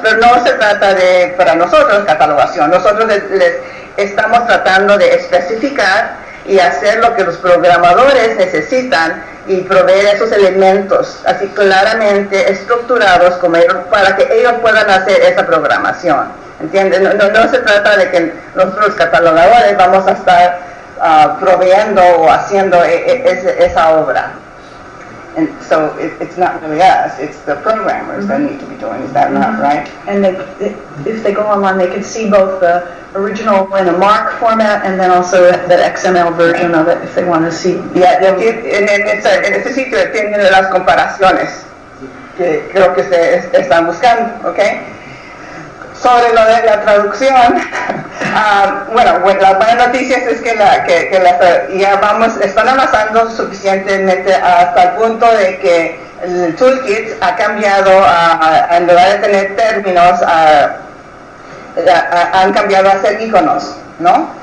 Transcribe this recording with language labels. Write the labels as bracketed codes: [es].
[es] Pero no se trata de, para nosotros, catalogación. Nosotros les estamos tratando de especificar y hacer lo que los programadores necesitan y proveer esos elementos así claramente estructurados como ellos, para que ellos puedan hacer esa programación. ¿Entiendes? No se trata de que nosotros catalogadores vamos a estar proveyendo o haciendo esa obra. [en] And so it's not really us, it's the programmers mm-hmm. that need to be doing that, mm-hmm. not right? And if they go online, they can see both the original in a MARC format and then also that XML version of it if they want to see. [es] Yeah, en ese sitio tienen las comparaciones que creo que se están buscando, okay? Sobre lo de la traducción, bueno, las buenas noticias es que ya vamos, están avanzando suficientemente hasta el punto de que el toolkit ha cambiado, en lugar de tener términos, han cambiado a ser iconos, ¿no?